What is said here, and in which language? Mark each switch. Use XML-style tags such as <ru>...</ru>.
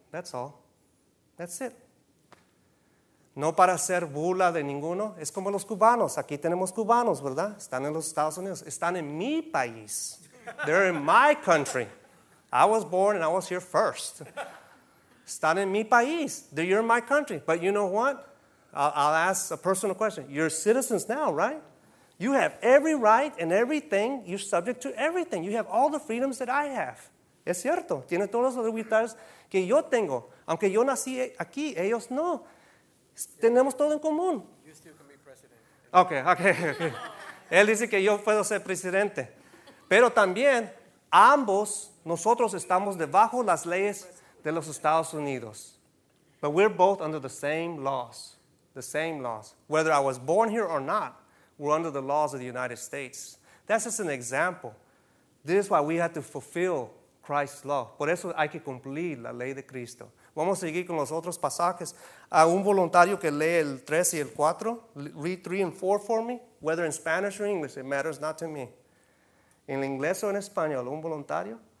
<en>That's all. That's it.</en> <es>No para hacer burla de ninguno. Es como los cubanos. Aquí tenemos cubanos, ¿verdad? Están en los Estados Unidos. Están en mi país.</es> <en>They're in my country. I was born and I was here first.</en> <es>Están en mi país.</es> <en>You're in my country. But you know what? I'll ask a personal question. You're citizens now, right? You have every right and everything. You're subject to everything. You have all the freedoms that I have.</en> <es>Es cierto. Tiene todas las libertades que yo tengo. Aunque yo nací aquí, ellos no. Tenemos todo en común.</es> <en>You still can be president. Okay.</en> <es>Él dice que yo puedo ser presidente. Pero también, ambos, nosotros estamos debajo las leyes de los Estados Unidos.</es> <en>But we're both under the same laws. The same laws. Whether I was born here or not, we're under the laws of the United States. That's just an example. This is why we have to fulfill Christ's law.</en> <es>Por eso hay que cumplir la ley de Cristo. Vamos a seguir con los otros pasajes. A un voluntario que lee el 3 y el 4.</es> <en>Read 3 and 4 for me. Whether in Spanish or English, it matters not to me.</en> <es>En inglés o en español, un voluntario.</es>